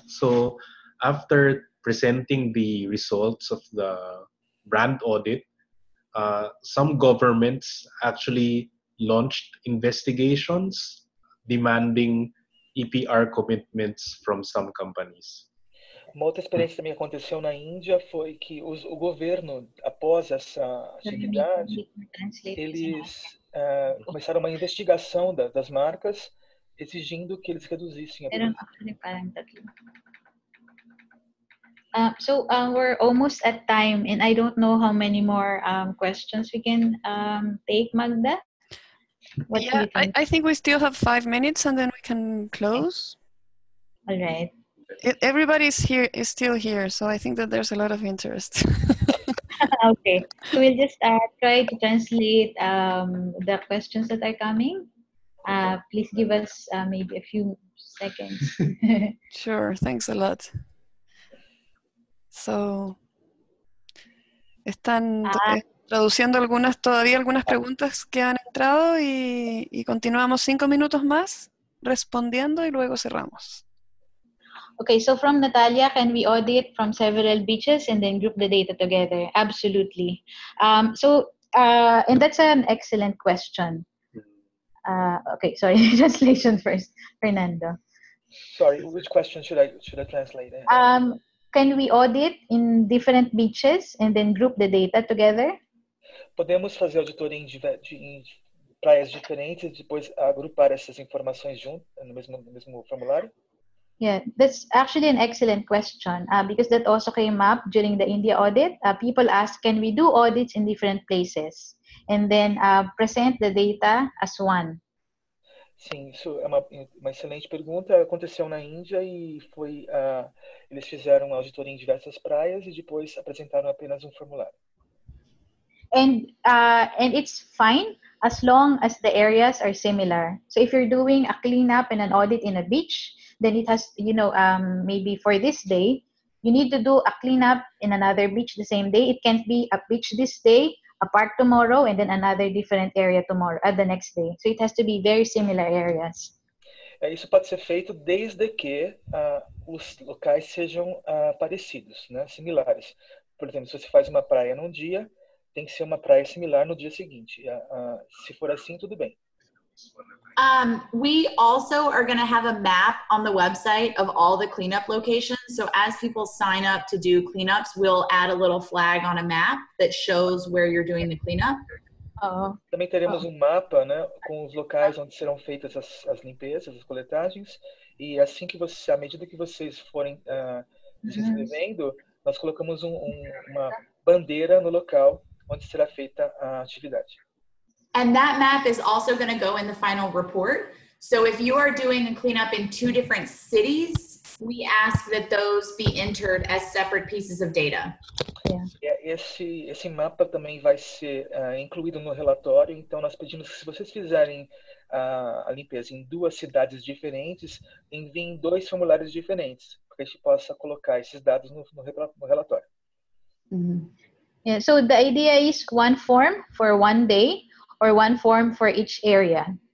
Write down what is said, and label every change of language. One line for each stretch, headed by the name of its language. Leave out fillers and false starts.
English: So after presenting the results of the brand audit, some governments actually launched investigations demanding EPR commitments from some companies.
Portuguese: Uma outra experiência também aconteceu na Índia foi que o governo, após essa atividade, eles começaram uma investigação das marcas exigindo que eles reduzissem a pergunta.
English: So we're almost at time, and I don't know how many more questions we can take, Magda. What do you think? I think we still have 5 minutes, and then we can close. All right. Everybody's here is still here, so I think that there's a lot of interest. Okay. So we'll just try to translate the questions that are coming. Please give us maybe a few seconds. Sure, thanks a lot.
Spanish: So, están traduciendo algunas todavía algunas preguntas que han entrado y continuamos 5 minutos más. respondiendo y luego cerramos.
English: Okay, so from Natalia, can we audit from several beaches and then group the data together? Absolutely. And that's an excellent question. Translation first, Fernando. Sorry, which question should I translate? Can we audit in different beaches and then group the data together?
Portuguese: Podemos fazer auditoria em praias diferentes e depois agrupar essas informações juntas no mesmo formulário?
English: Yeah, that's actually an excellent question because that also came up during the India audit. People ask, can we do audits in different places and then present the data as one?
Portuguese: Sim, isso é uma excelente pergunta. Aconteceu na Índia e foi eles fizeram uma auditoria em diversas praias e depois apresentaram apenas formulário.
English: And it's fine as long as the areas are similar. So if you're doing a cleanup and an audit in a beach, then it has, maybe for this day, you need to do a cleanup in another beach the same day. It can't be a beach this day, a park tomorrow, and then another different area tomorrow, the next day. So it has to be very similar areas.
Portuguese: É, isso pode ser feito desde que os locais sejam parecidos, né? Similares. Por exemplo, se você faz uma praia num dia, tem que ser uma praia similar no dia seguinte. Se for assim, tudo bem.
English: We also are going to have a map on the website of all the cleanup locations. So as people sign up to do cleanups, we'll add a little flag on a map that shows where you're doing the cleanup.
Portuguese: Também teremos um mapa, né, com os locais onde serão feitas as limpezas, as coletagens. E assim que à medida que vocês forem se inscrevendo, nós colocamos uma bandeira no local onde será feita a atividade.
English: And that map is also going to go in the final report. So if you are doing a cleanup in two different cities, we ask that those be entered as separate pieces of data. Yeah.
Portuguese: Esse mapa também vai ser incluído no relatório. Então nós pedimos que se vocês fizerem a limpeza em duas cidades diferentes, enviem dois formulários diferentes, para que a gente possa colocar esses dados no relatório.
English: Mm-hmm. Yeah, so the idea is one form for one day, or one form for each area.